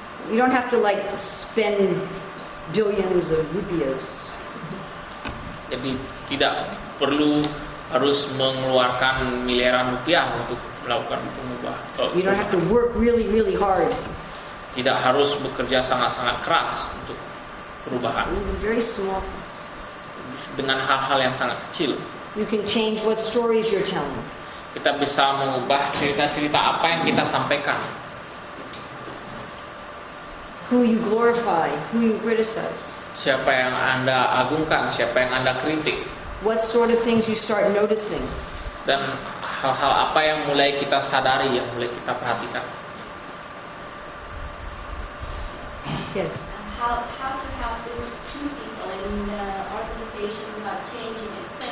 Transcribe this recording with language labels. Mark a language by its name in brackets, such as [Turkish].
[English] You don't have to like spend billions of rupiahs. [Indonesian] Jadi tidak perlu harus mengeluarkan miliaran rupiah untuk melakukan perubahan. [English] You don't have to work really, really hard. [Indonesian] Tidak harus bekerja sangat-sangat keras untuk perubahan. [English] Very small things. [Indonesian] Dengan hal-hal yang sangat kecil. [English] You can change what stories you're telling. [Indonesian] Kita bisa mengubah cerita-cerita apa yang kita sampaikan. [English] Who you glorify, who you criticize. [Indonesian] Siapa yang Anda agungkan, siapa yang Anda kritik. [English] What sort of things you start noticing. [Indonesian] Dan hal-hal apa yang mulai kita sadari, yang mulai kita perhatikan. [English] Yes. How to help these two people in the organization without changing it?